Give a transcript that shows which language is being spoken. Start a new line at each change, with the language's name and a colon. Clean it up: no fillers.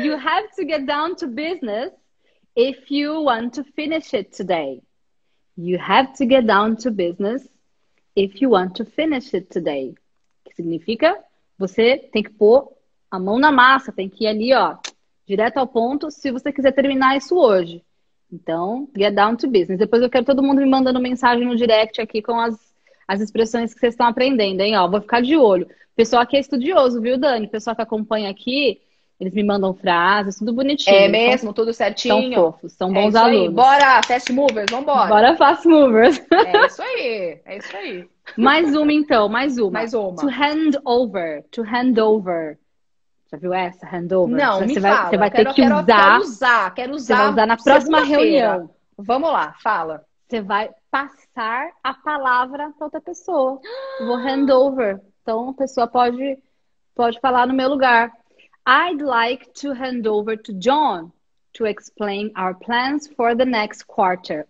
English: You have to get down to business if you want to finish it today. You have to get down to business if you want to finish it today.
Portuguese: Que significa? Você tem que pôr a mão na massa, tem que ir ali, ó, direto ao ponto, se você quiser terminar isso hoje.
English: Então, get down to business.
Portuguese: Depois eu quero todo mundo me mandando mensagem no direct aqui com as expressões que vocês estão aprendendo, hein? Ó, vou ficar de olho. O pessoal aqui é estudioso, viu, Dani? O pessoal que acompanha aqui, eles me mandam frases, tudo bonitinho. É mesmo, então, tudo certinho. São fofos, são bons alunos. É isso aí, bora,
English: fast movers,
Portuguese: vambora.
English: Bora, fast movers.
Portuguese: É isso aí. Mais uma, então, mais uma. Mais uma.
English: To hand over.
Portuguese: Já viu essa?
English: Handover?
Portuguese: Não, você me vai, fala. Você vai ter que usar. Quero usar. Você vai usar na próxima reunião. Vamos lá, fala. Você vai passar a palavra para outra pessoa. Vou handover. Então, a pessoa pode falar no meu lugar.
English: I'd like to hand over to John to explain our plans for the next quarter.